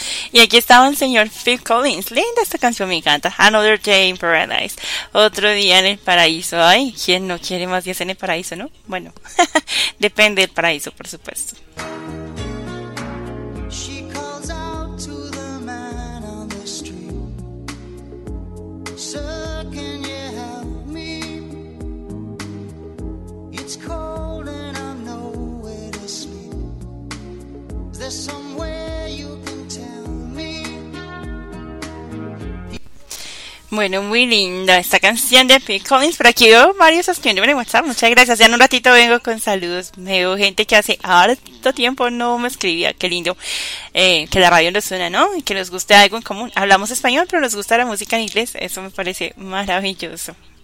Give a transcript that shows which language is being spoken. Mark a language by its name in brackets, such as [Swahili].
[Spanish] Y aquí estaba el señor Phil Collins. Linda esta canción, me encanta. Another Day in Paradise. Otro día en el paraíso. Ay, ¿quién no quiere más días en el paraíso, no? Bueno, depende del paraíso, por supuesto. [English] She calls out to the man on the street. Sir, can you help me? It's cold and I'm nowhere to sleep. There's somewhere you can tell. [Spanish] Bueno, muy linda esta canción de Phil Collins. Por aquí veo varios escribiendo en WhatsApp. Muchas gracias. Ya en un ratito vengo con saludos. Veo gente que hace harto tiempo no me escribía. Qué lindo que la radio nos suena, ¿no? Y que nos guste algo en común. Hablamos español, pero nos gusta la música en inglés. Eso me parece maravilloso.